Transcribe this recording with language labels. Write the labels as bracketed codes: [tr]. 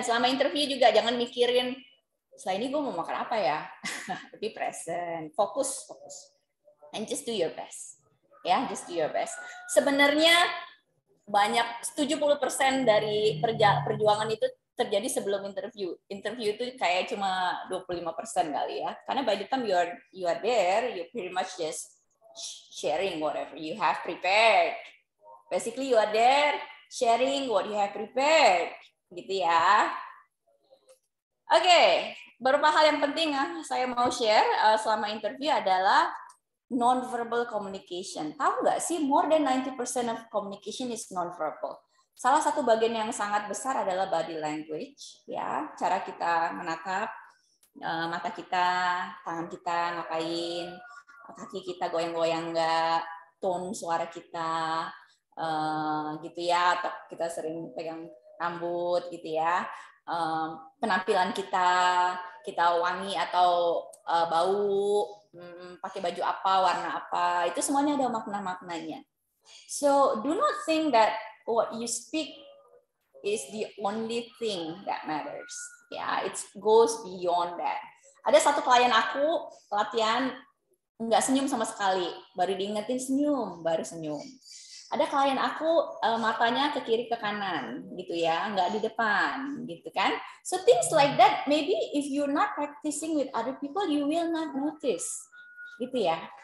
[id] Selama interview juga jangan mikirin, setelah ini gue mau makan apa ya. [en] Be present. Fokus. And just do your best. Yeah, just do your best. [id] Sebenarnya banyak 70% dari perjuangan itu terjadi sebelum interview. Interview itu kayak cuma 25% kali ya. [en] Karena by the time you are there, you pretty much just sharing whatever you have prepared. Basically you are there sharing what you have prepared. [id] Gitu ya. Oke, beberapa hal yang penting ya saya mau share selama interview adalah non-verbal communication. Tahu nggak sih, [en] more than 90% of communication is non-verbal. [id] Salah satu bagian yang sangat besar adalah body language, ya, cara kita menatap, mata kita, tangan kita ngapain, kaki kita goyang-goyang nggak, tone suara kita, gitu ya, atau kita sering pegang rambut, gitu ya. Penampilan kita wangi atau bau, pakai baju apa, warna apa, itu semuanya ada makna-maknanya. [en] So, do not think that what you speak is the only thing that matters. [id] Yeah, [en] it goes beyond that. [id] Ada satu klien aku, latihan, nggak senyum sama sekali, baru diingetin senyum, baru senyum. Ada klien aku matanya ke kiri ke kanan gitu ya, nggak di depan gitu kan. [en] So things like that, maybe if you're not practicing with other people, you will not notice gitu ya.